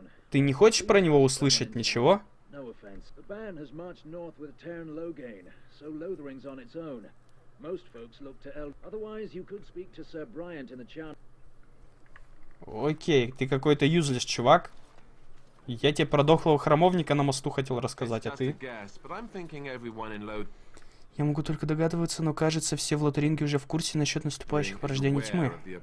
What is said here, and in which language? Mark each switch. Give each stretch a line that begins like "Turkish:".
Russian: Ты не хочешь про него услышать ничего?
English: No offense. The band has marched north with Terran Loghain, so Lothering's on its own. Most folks look to Eld. Otherwise, you could speak to Sir Bryant in the chan.
Russian: Окей, ты какой-то
English: useless
Russian: чувак. Я тебе про дохлого храмовника на мосту хотел рассказать, а ты? Я могу только догадываться, но кажется, все в Лотеринге уже в курсе насчет наступающих порождений тьмы.